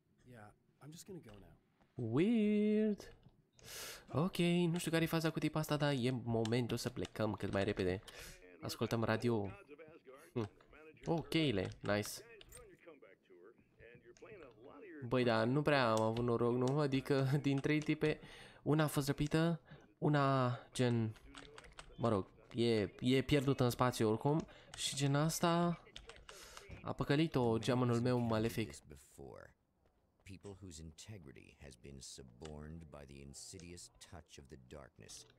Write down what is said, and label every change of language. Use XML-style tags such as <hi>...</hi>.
<en>Yeah, I'm just gonna go now. Weird.</en> <ro>Ok, nu știu care e faza cu tipa asta, dar e momentul să plecăm cât mai repede. Ascultăm radio. Ok-le, nice. Băi, dar nu prea am avut noroc, nu? Adică, din trei tipe, una a fost răpită, una gen... Mă rog, e pierdută în spațiu oricum. Și gen asta... A păcălit-o geamănul meu malefic.</ro> <en>People whose integrity has been suborned by the insidious touch of the darkness.</en>